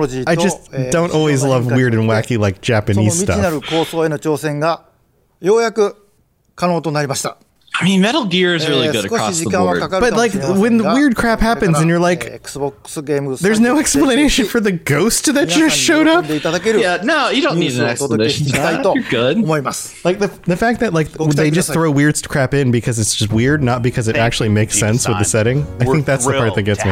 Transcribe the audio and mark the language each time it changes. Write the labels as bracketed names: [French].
[English] I just don't always love weird and wacky like Japanese stuff. [Japanese] その未知なる構想への挑戦がようやく可能となりました。 [English] I mean, Metal Gear is really good across the board. But like, when the weird crap happens and you're like, there's no explanation for the ghost that just showed up? Yeah, no, you don't need an explanation. You're good. Like, the fact that like they just throw weird crap in because it's just weird, not because it actually makes sense with the setting, I think that's the part that gets me.